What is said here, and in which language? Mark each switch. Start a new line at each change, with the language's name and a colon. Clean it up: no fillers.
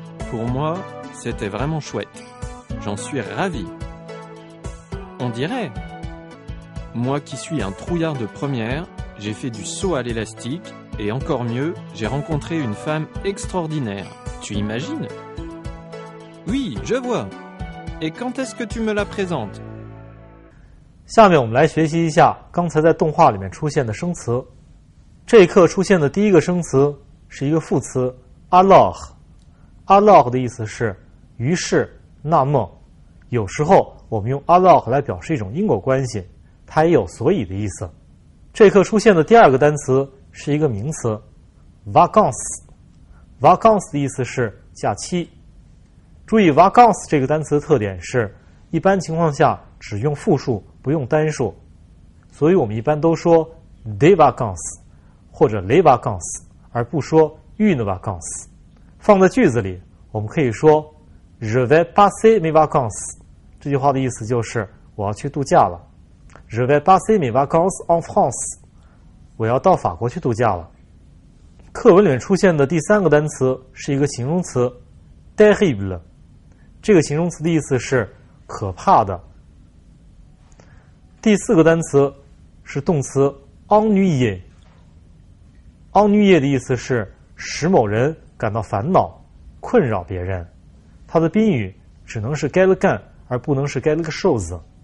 French: Pour moi, c'était vraiment chouette. J'en suis ravi. On dirait. Moi qui suis un trouillard de première, j'ai fait du saut à l'élastique,Et encore mieux, j'ai rencontré une femme extraordinaire. Tu imagines? Oui, je vois. Et quand est-ce que tu me la présentes?
Chinese: 下面我们来学习一下刚才在动画里面出现的生词。这一课出现的第一个生词是一个副词 alors。alors 的意思是于是、那么。有时候我们用 alors 来表示一种因果关系，它也有所以的意思。这课出现的第二个单词是一个名词 vacances。 vacances 的意思是假期。注意 vacances 这个单词的特点是一般情况下只用复数不用单数，所以我们一般都说
French: des vacances
Chinese: 或者
French: les vacances
Chinese: 而不说
French: une vacances。
Chinese: 放在句子里我们可以说
French: je vais passer mes vacances，
Chinese: 这句话的意思就是我要去度假了。
French: je vais passer mes vacances en France，
Chinese: 我要到法国去度假了。课文里面出现的第三个单词是一个形容词 terrible， 这个形容词的意思是可怕的。第四个单词是动词 ennuyé， ennuyé 的意思是使某人感到烦恼困扰别人，它的宾语只能是 quelqu'un 而不能是 quelque chose。